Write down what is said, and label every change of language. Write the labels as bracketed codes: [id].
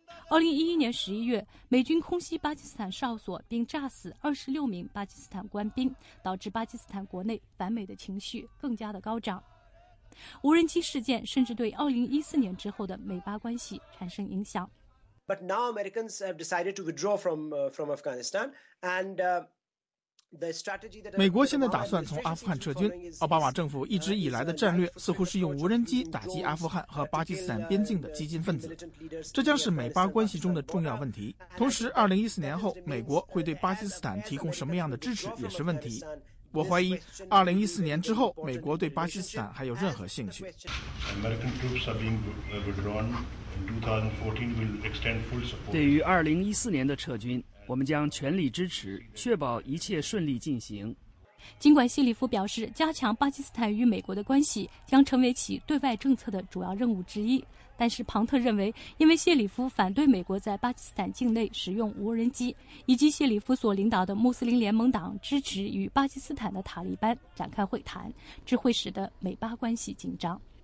[zh] 2011年11月，美军空袭巴基斯坦哨所，并炸死26名巴基斯坦官兵，导致巴基斯坦国内反美的情绪更加的高涨。无人机事件甚至对2014年之后的美巴关系产生影响。 [en] But now Americans have decided to withdraw from Afghanistan, and the strategy that [zh] 美国现在打算从阿富汗撤军。奥巴马政府一直以来的战略似乎是用无人机打击阿富汗和巴基斯坦边境的激进分子，这将是美巴关系中的重要问题。同时，2014年后，美国会对巴基斯坦提供什么样的支持也是问题。我怀疑，2014年之后，美国对巴基斯坦还有任何兴趣。 [en] American troops are being withdrawn. In 2014, will extend full support. [zh] 对于2014年的撤军，我们将全力支持，确保一切顺利进行。尽管谢里夫表示，加强巴基斯坦与美国的关系将成为其对外政策的主要任务之一，但是庞特认为，因为谢里夫反对美国在巴基斯坦境内使用无人机，以及谢里夫所领导的穆斯林联盟党支持与巴基斯坦的塔利班展开会谈，这会使得美巴关系紧张。